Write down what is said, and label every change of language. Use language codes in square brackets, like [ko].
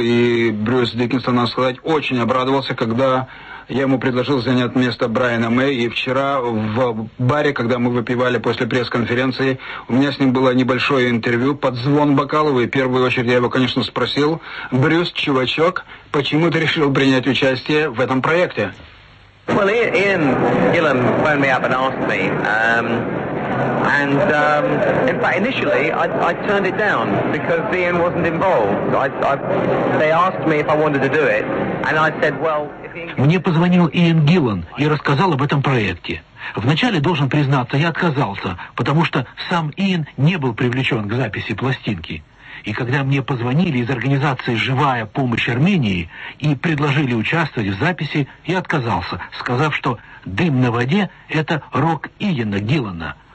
[ru] И Брюс Диккенсон, надо сказать, очень обрадовался, когда я ему предложил занять место Брайана Мэй. И вчера в баре, когда мы выпивали после пресс-конференции, у меня с ним было небольшое интервью под звон бокалов. И в первую очередь я его, конечно, спросил: [en] «Брюс, чувачок, [ru] почему ты решил принять участие в этом проекте?» [en] Well, Ian Gillan phoned me up and asked me, in fact, initially I turned it down because Ian wasn't involved. They asked me if I wanted to do it, and I said, well... [ru] Мне позвонил Иэн Гиллан и рассказал об этом проекте. Вначале, должен признаться, я отказался, потому что сам Иэн не был привлечен к записи пластинки. И когда мне позвонили из организации «Живая помощь Армении» и предложили участвовать в записи, я отказался, сказав, что «Дым на воде» — это рок Иэна Гиллана.